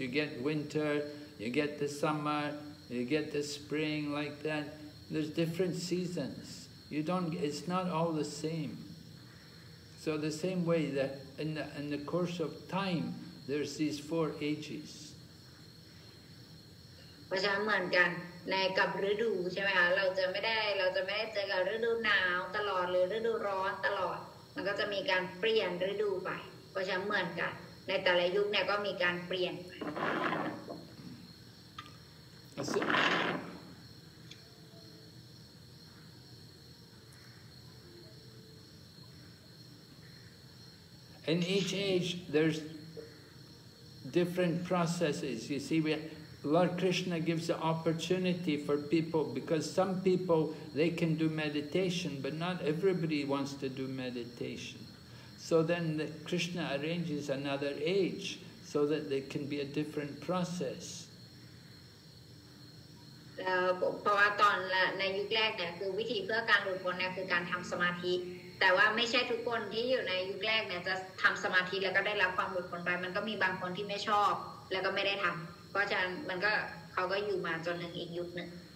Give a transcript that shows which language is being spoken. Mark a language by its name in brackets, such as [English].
[English] You get winter, you get the summer, you get the spring, like that. There's different seasons. It's not all the same. So the same way that in the course of time, there's these four ages. [Thai] เพราะฉะนั้นเหมือนกันในกับฤดูใช่ไหมคะเราจะไม่ได้เจอกับฤดูหนาวตลอดหรือฤดูร้อนตลอดมันก็จะมีการเปลี่ยนฤดูไปเพราะฉะนั้นเหมือนกันในแต่ละยุคเนี่ยก็มีการเปลี่ยนไป [English] In each age there's different processes you see Lord Krishna gives the opportunity for people because some people they can do meditation, but not everybody wants to do meditation. So then Krishna arranges another age so that there can be a different process. [Thai] เพราะว่าตอนในยุคแรกเนี่ยคือวิธีเพื่อการหลุดพ้นเนี่ยคือการทำสมาธิแต่ว่าไม่ใช่ทุกคนที่อยู่ในยุคแรกเนี่ยจะทำสมาธิแล้วก็ได้รับความหลุดพ้นไปมันก็มีบางคนที่ไม่ชอบแล้วก็ไม่ได้ทำเพราะฉะนั้นมันก็เขาก็อยู่มาจนถึงอีกยุคนึง